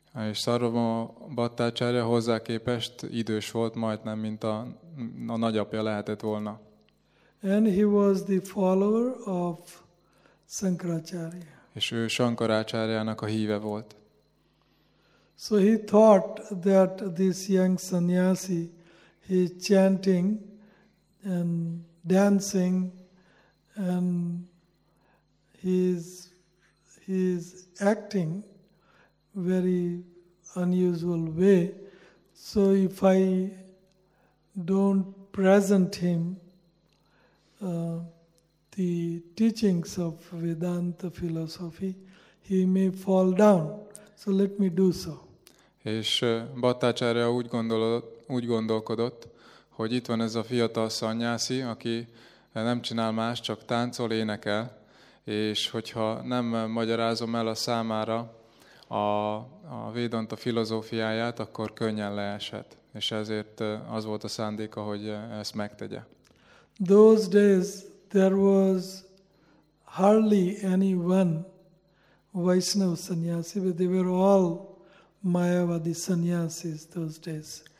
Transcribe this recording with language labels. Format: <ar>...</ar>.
<hu>És Sarvabhauma Bhattacharya hozzá képest idős volt, majdnem, mint a nagyapja lehetett volna.</hu> <en>And he was the follower of Shankaracharya.</en> <hu>És ő Shankaracharyának a híve volt.</hu> <en>So he thought that this young sannyasi, he is chanting and dancing and he is acting very unusual way, so if I don't present him the teachings of Vedanta philosophy, he may fall down. So let me do so.</en> <hu>És Bhattacharya úgy gondolkodott, hogy itt van ez a fiatal szanyászi, aki nem csinál más, csak táncol, énekel, és hogyha nem magyarázom el a számára a Vedanta filozófiáját, akkor könnyen leesett. És ezért az volt a szándéka, hogy ezt megtegye.</hu> <en>Those days there was hardly anyone Vaishnava sannyasi, but they were all Mayavadi sannyasis those days.</en>